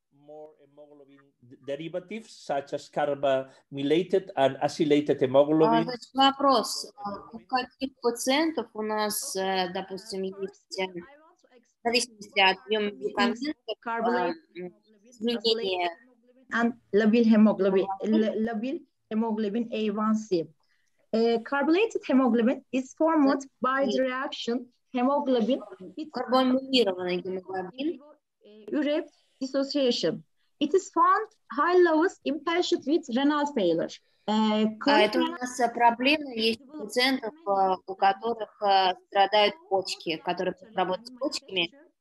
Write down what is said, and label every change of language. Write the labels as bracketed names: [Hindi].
[English] More hemoglobin derivatives, such as carbamylated and acylated hemoglobin. [Russian] Вопрос, у каких пациентов у нас, допустим, есть в зависимости от объема гемоглобина, изменение [English] hemoglobin A1C. Carbamylated hemoglobin is formed by the reaction hemoglobin, [Russian] карбонированный гемоглобин, [English] urea dissociation. It is found high levels in patients with renal failure. [Russian] Это у нас проблема есть у пациентов, у которых страдают почки, которые работают с почками.